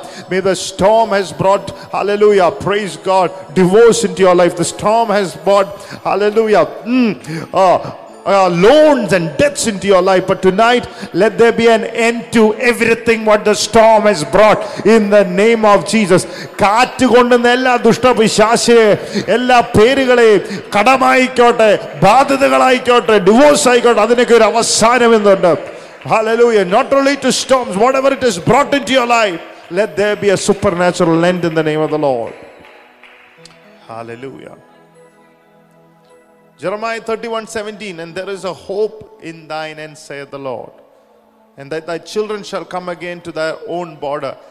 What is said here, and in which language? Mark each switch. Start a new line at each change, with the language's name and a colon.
English: May the storm has brought, hallelujah, praise God, divorce into your life. The storm has brought, hallelujah, loans and debts into your life. But tonight, let there be an end to everything what the storm has brought in the name of Jesus.
Malayalam: കാറ്റ് കൊണ്ടുവന്ന എല്ലാ ദുഷ്ടവിശ്വാസിയെ എല്ലാ പേരുകളെയും കടമായിക്കോട്ടെ ബാധ്യതകളായിക്കോട്ടെ divorce ആയിക്കോട്ടെ അതിനൊക്കെ ഒരു അവസാനം എന്നുണ്ട്. Hallelujah.
English: Not only to storms, whatever it is brought into your life, let there be a supernatural end in the name of the Lord. Hallelujah. Jeremiah 31:17, and there is a hope in thine end, saith the Lord, and that thy children shall come again to thy own border.